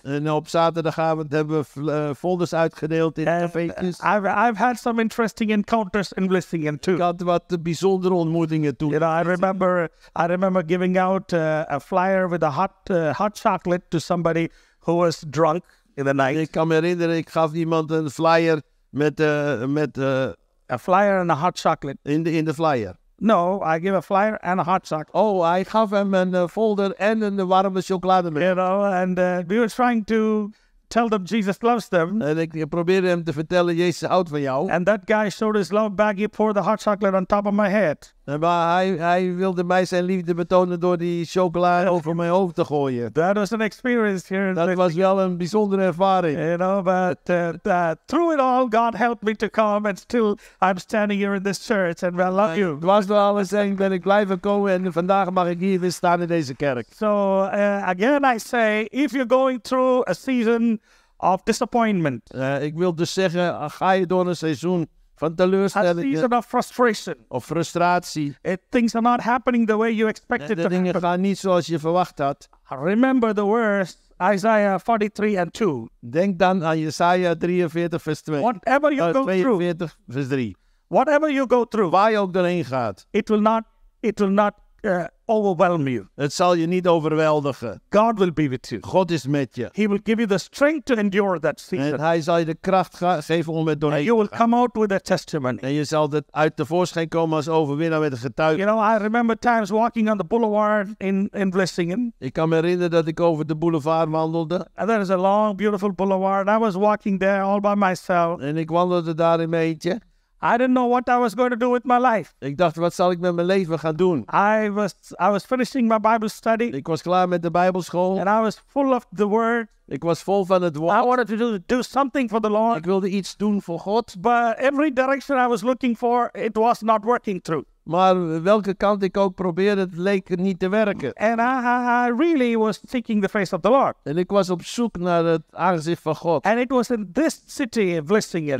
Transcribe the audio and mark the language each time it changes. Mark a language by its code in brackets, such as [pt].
[nl] En op zaterdagavond hebben we folders uitgedeeld in cafetjes. [en] I've had some interesting encounters in Vlissingen too. [nl] Ik had wat bijzondere ontmoetingen toen. [en] You know, I remember giving out a flyer with a hot chocolate to somebody who was drunk in the night. [nl] Ik kan me herinneren, ik gaf iemand een flyer [en] a flyer and a hot chocolate. In the flyer. No, I give a flyer and a hot chocolate. Oh, I gave him a folder and a [nl] warme chocolade. [en] You know, and we were trying to tell them Jesus loves them. [nl] En ik probeerde hem te vertellen, Jezus houdt van jou. [en] And that guy showed his love back. He poured the hot chocolate on top of my head. [nl] Maar hij wilde mij zijn liefde betonen door die chocolade over mijn hoofd te gooien. [en] That was an experience here. [nl] Dat was wel een bijzondere ervaring. [en] You know, but through it all, God helped me to come, and still I'm standing here in this church, and I love you. [nl] Het was door alles en ben ik blijven komen en vandaag mag ik hier weer staan in deze kerk. [en] So again, I say, if you're going through a season of disappointment, [nl] ik wil dus zeggen, ga je door een seizoen van teleurstelling. [en] A season of frustration. [nl] Of frustratie. [en] Things are not happening the way you expected to happen. [nl] De dingen gaan niet zoals je verwacht had. [en] Remember the words, Isaiah 43 and 2. [nl] Denk dan aan Jesaja 43 vers 2. [en] Whatever you go through. [nl] 42 vers 3. [en] Whatever you go through. [nl] Waar je ook doorheen gaat. [en] It will not overwhelm you. [nl] Het zal je niet overweldigen. [en] God will be with you. [nl] God is met je. [en] He will give you the strength to endure that season. [nl] En hij zal je de kracht geven om het doorheen. [en] And you will come out with a testimony. [nl] En je zal het uit de voorschijn komen als overwinnaar met een getuige. [en] You know, I remember times walking on the boulevard in Vlissingen. [nl] Ik kan me herinneren dat ik over de boulevard wandelde. [en] And there is a long, beautiful boulevard. I was walking there all by myself. [nl] En ik wandelde daar in mijn eentje. [en] I didn't know what I was going to do with my life. [nl] Ik dacht, wat zal ik met mijn leven gaan doen? [en] I was finishing my Bible study. [nl] Ik was klaar met de Bijbelschool. [en] And I was full of the Word. [nl] Ik was vol van het woord. [en] I wanted to do something for the Lord. [nl] Ik wilde iets doen voor God. [en] But every direction I was looking for, it was not working through. [nl] Maar welke kant ik ook probeerde, het leek niet te werken. [en] And I really was seeking the face of the Lord. [nl] En ik was op zoek naar het aangezicht van God. [en] And it was in this city of Vlissingen.